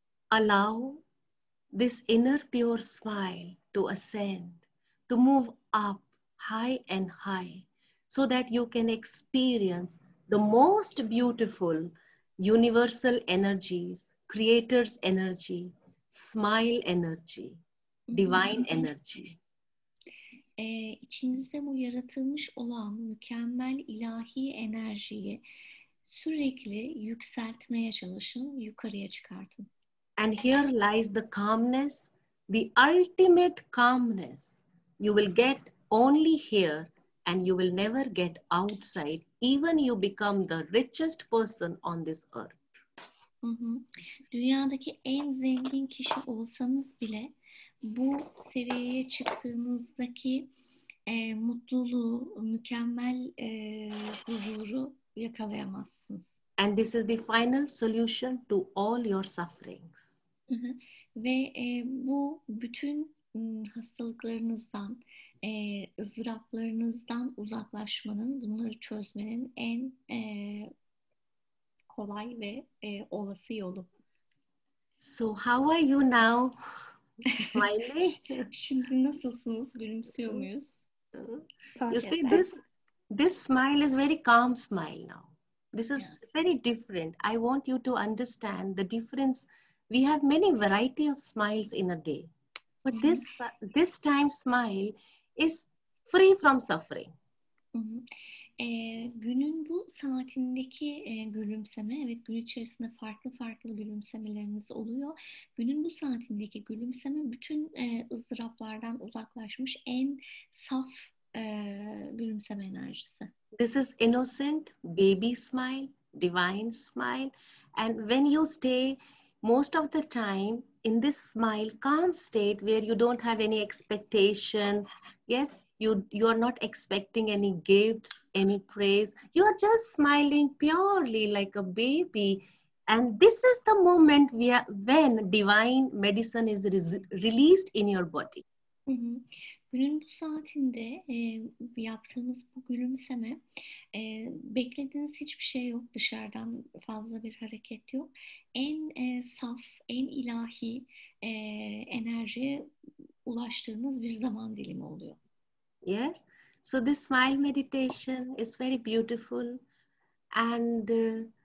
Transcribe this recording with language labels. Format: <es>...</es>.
<en>Allow this inner pure smile to ascend, to move up high and high. So that you can experience the most beautiful universal energies, creator's energy, smile energy, divine energy.</en> <tr>İçinizde bu yaratılmış olan mükemmel ilahi enerjiyi sürekli yükseltmeye çalışın, yukarıya çıkartın.</tr> <en>And here lies the calmness, the ultimate calmness you will get only here. And you will never get outside, even you become the richest person on this earth.</en> <tr>Dünyadaki en zengin kişi olsanız bile, bu seviyeye çıktığınızdaki mutluluğu, mükemmel huzuru yakalayamazsınız.</tr> <en>And this is the final solution to all your sufferings.</en> <tr>Ve bu bütün hastalıklarınızdan, ızdıraplarınızdan uzaklaşmanın, bunları çözmenin en kolay ve olası yolu.</tr> <en>So how are you now? Smiling?</en> <tr>Şimdi nasılsınız? Gülümsüyor muyuz?</tr> <en>You see, this smile is very calm smile now. This is very different. I want you to understand the difference. We have many variety of smiles in a day. But this time smile is free from suffering.</en> <tr>Günün bu saatindeki gülümseme, evet, gün içerisinde farklı farklı gülümsemeleriniz oluyor. Günün bu saatindeki gülümseme bütün ızdıraplardan uzaklaşmış en saf gülümseme enerjisi.</tr> <en>This is innocent baby smile, divine smile. And when you stay most of the time in this smile, calm state where you don't have any expectation. Yes, you are not expecting any gifts, any praise. You are just smiling purely like a baby. And this is the moment when divine medicine is released in your body.</en> <tr>Günün bu saatinde yaptığınız bu gülümseme, beklediğiniz hiçbir şey yok, dışarıdan fazla bir hareket yok. En saf, en ilahi enerjiye ulaştığınız bir zaman dilimi oluyor.</tr> <en>Yes, so this smile meditation is very beautiful and</en>